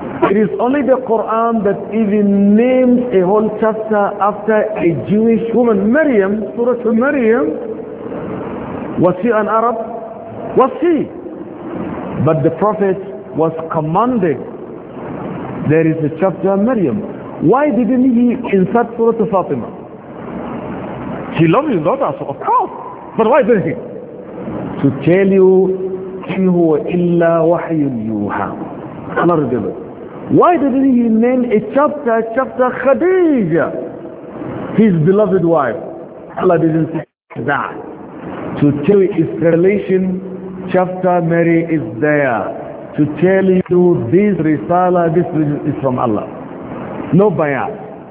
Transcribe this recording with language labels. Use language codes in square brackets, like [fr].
[en] It is only the Quran that even names a whole chapter after a Jewish woman, Maryam, Surah Maryam. Was she an Arab? Was she? But the Prophet was commanded, there is a chapter on Maryam. Why didn't he insert Surah Fatima? He loved his daughter, so of course. But why didn't he? To tell you, [ar] إِنْ هُوَ إِلَّا وَحْيُ الْيُوحَى. [en] Allah revealed. Why didn't he name a chapter, Khadija, his beloved wife? Allah didn't say that. To tell you his relation, chapter Mary is there. To tell you this risalah, this religion is from Allah. No bias.